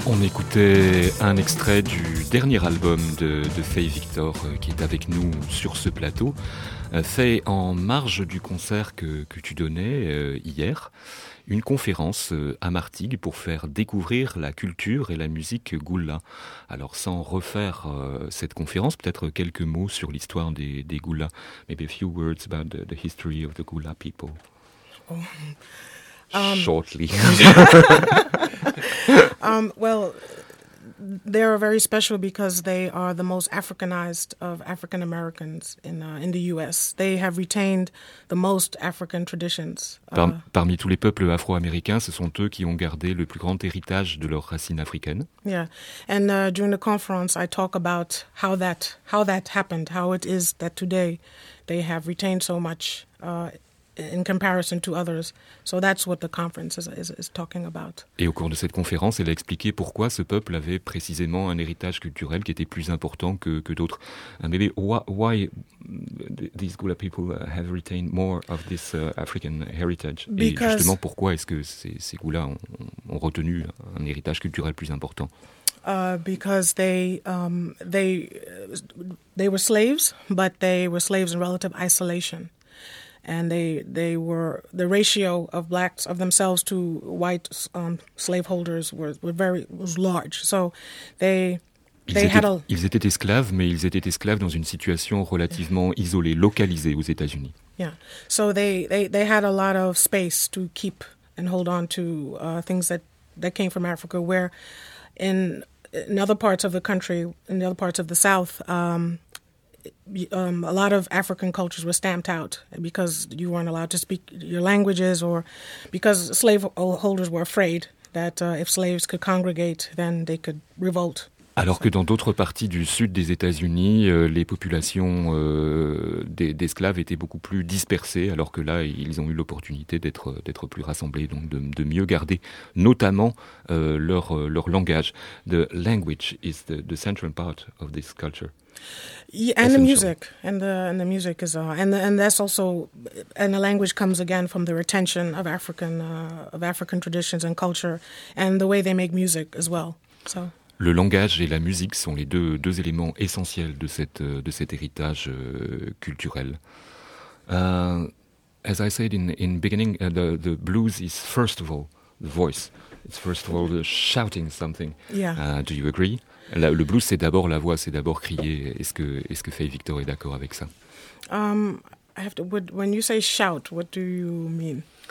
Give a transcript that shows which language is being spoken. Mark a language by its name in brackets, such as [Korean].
[French] On écoutait un extrait du dernier album de Faye Victor qui est avec nous sur ce plateau. Fait en marge du concert que tu donnais hier, une conférence à Martigues pour faire découvrir la culture et la musique Goula. Alors sans refaire cette conférence, peut-être quelques mots sur l'histoire des Goula. [English] Maybe a few words about the history of the Goula people. Shortly. Well, they are very special because they are the most Africanized of African Americans in the U.S. They have retained the most African traditions. [French] Parmi tous les peuples afro-américains, ce sont eux qui ont gardé le plus grand héritage de leurs racines africaines. [English] Yeah, and during the conference, I talk about how that happened, how it is that today they have retained so much in comparison to others. So that's what the conference is talking about. [French] Et au cours de cette conférence, elle a expliqué pourquoi ce peuple avait précisément un héritage culturel qui était plus important que d'autres. [English] Maybe why these Goula people have retained more of this African heritage? Because, [French] et justement, pourquoi est-ce que ces Goula ont retenu un héritage culturel plus important? [English] Because they were slaves, but they were slaves in relative isolation. And they were the ratio of blacks of themselves to white slaveholders was large. So [French] ils étaient esclaves, mais ils étaient esclaves dans une situation relativement isolée, localisée aux États-Unis. [English] Yeah. So they had a lot of space to keep and hold on to things that came from Africa, where in other parts of the country, in the other parts of the South, a lot of African cultures were stamped out because you weren't allowed to speak your languages, or because slaveholders were afraid that if slaves could congregate, then they could revolt. [French] Alors que dans d'autres parties du sud des États-Unis, les populations d'esclaves étaient beaucoup plus dispersées, alors que là, ils ont eu l'opportunité d'être plus rassemblés, donc de mieux garder, notamment leur langage. [English] The language is the central part of this culture. Yeah, and the music, and the music is, and that's also, and the language comes again from the retention of African traditions and culture, and the way they make music as well. So. [French] Le langage et la musique sont les deux éléments essentiels de cet héritage culturel. [English] As I said in beginning, the blues is first of all the voice. It's first of all the shouting something. Yeah. Do you agree? [French] Le blues, c'est d'abord la voix, c'est d'abord crier. Est-ce que Faye Victor est d'accord avec ça? [English] When you say shout, what do you mean?